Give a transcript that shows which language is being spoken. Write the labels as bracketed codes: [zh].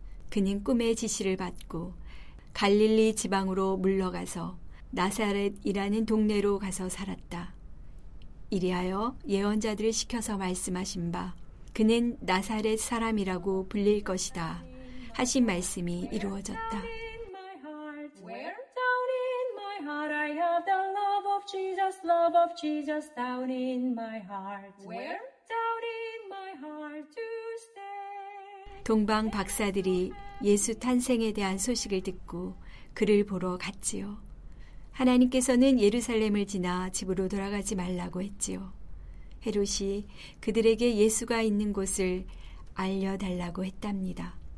[ko] 그는 꿈의 지시를 받고 갈릴리 지방으로 물러가서 나사렛이라는 동네로 가서 살았다. 이리하여 예언자들을 시켜서 말씀하신 바 그는 나사렛 사람이라고 불릴 것이다 하신 말씀이 이루어졌다. [en] Where? Down in my heart. I have the love of Jesus down in my heart. Where? Down in my heart to stay. [ko] 동방 박사들이 예수 탄생에 대한 소식을 듣고 그를 보러 갔지요. 하나님께서는 예루살렘을 지나 집으로 돌아가지 말라고 했지요. 헤롯이 그들에게 예수가 있는 곳을 알려달라고 했답니다.